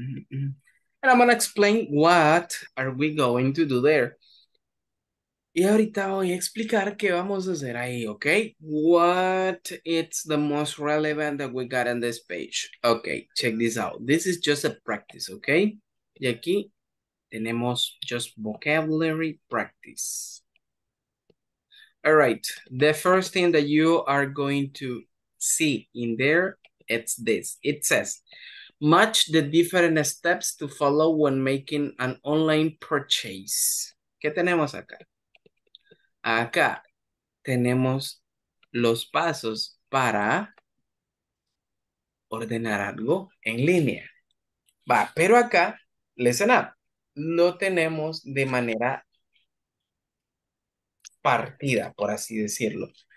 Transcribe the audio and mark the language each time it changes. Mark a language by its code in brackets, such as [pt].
[en] And I'm going to explain what are we going to do there. [es] Y ahorita voy a explicar qué vamos a hacer ahí, okay? [en] What is the most relevant that we got on this page? Okay, check this out. This is just a practice, okay? [es] Y aquí tenemos [en] just vocabulary practice. All right, the first thing that you are going to see in there, it's this. It says, match the different steps to follow when making an online purchase. [es] ¿Qué tenemos acá? Acá tenemos los pasos para ordenar algo en línea. Va, pero acá, [en] listen up, [es] no tenemos de manera partida, por así decirlo.